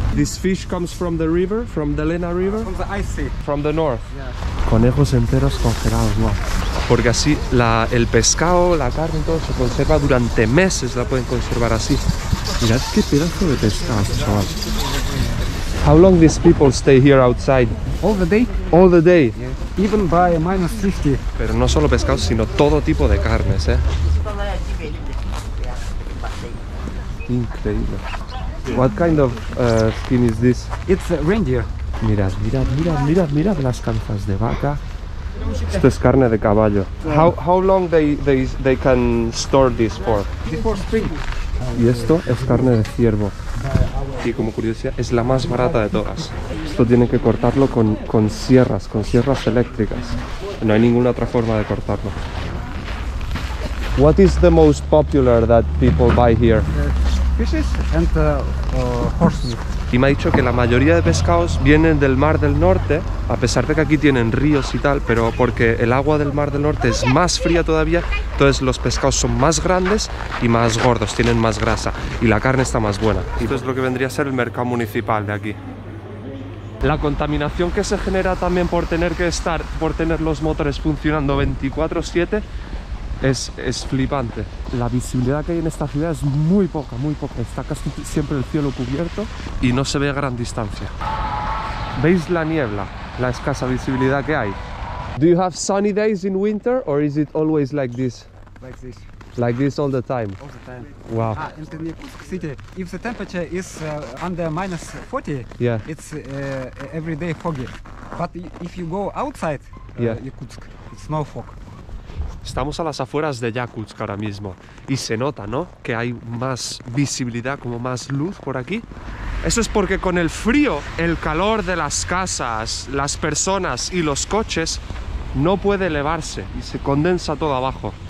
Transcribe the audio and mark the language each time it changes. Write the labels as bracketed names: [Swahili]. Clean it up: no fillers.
[English] This fish comes from the river, from the Lena River? From the Ice Sea. From the north. Yeah. [Spanish] Conejos enteros congelados, wow. Porque así el pescado, la carne y todo se conserva durante meses, la pueden conservar así. Mirad qué pedazo de pescado, chaval. [English] How long these people stay here outside? All the day. All the day. Yeah. Even by minus 50. [Spanish] Pero no solo pescado, sino todo tipo de carnes, ¿eh? Increíble. [English] What kind of skin is this? It's a reindeer. [Spanish] Mirad, mirad, mirad, mirad, mirad las canzas de vaca. Esto es carne de caballo. [English] Yeah. How long they can store this for? Before spring. [Spanish] Y esto es carne de ciervo. Y como curiosidad, es la más barata de todas. Esto tienen que cortarlo con sierras eléctricas. No hay ninguna otra forma de cortarlo. [English] What is the most popular that people buy here? Fishes and horse meat. [Spanish] Y me ha dicho que la mayoría de pescados vienen del Mar del Norte, a pesar de que aquí tienen ríos y tal, pero porque el agua del Mar del Norte es más fría todavía, entonces los pescados son más grandes y más gordos, tienen más grasa y la carne está más buena. Esto es lo que vendría a ser el mercado municipal de aquí. La contaminación que se genera también por tener que estar, por tener los motores funcionando 24/7, Es flipante. La visibilidad que hay en esta ciudad es muy poca, muy poca. Está casi siempre el cielo cubierto y no se ve a gran distancia. ¿Veis la niebla? La escasa visibilidad que hay. [English] Do you have sunny days in winter or is it always like this? Like this. Like this all the time? All the time. Wow. Ah, in the Yakutsk city, if the temperature is under minus 40, yeah, it's every day foggy. But if you go outside Yakutsk, it's no fog. [Spanish] Estamos a las afueras de Yakutsk ahora mismo y se nota, ¿no?, que hay más visibilidad, como más luz por aquí. Eso es porque con el frío, el calor de las casas, las personas y los coches no puede elevarse y se condensa todo abajo.